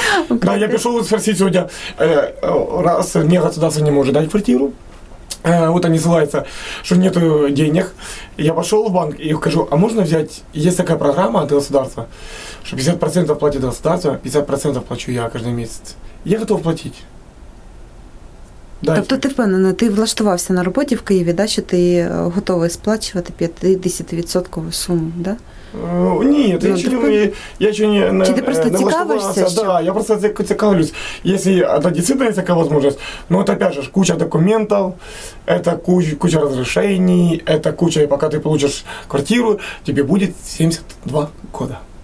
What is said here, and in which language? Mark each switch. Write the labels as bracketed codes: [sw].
[uk] Да, я пішов спросити сьогодні, раз не государство не може дати квартиру. [ru] Вот они ссылаются, что нету денег. Я пошел в банк и скажу, а можно взять, есть такая программа от государства, что 50% платит государство, 50% плачу я каждый месяц. Я готов платить. Дайте. [uk] Тобто ты впевнена, ты влаштувався на роботі в Києві, да, що ти готовий сплачувати 50% суму, да? Ні, ну, я ще не влаштувався. Чи ти просто цікавишся? Так, да, я просто цікавлюсь. Якщо дійсно є така можливість, ну, це, опять же, куча документів, це куча розрішень, це куча, і поки ти отримаєш квартиру, тобі буде 72 роки.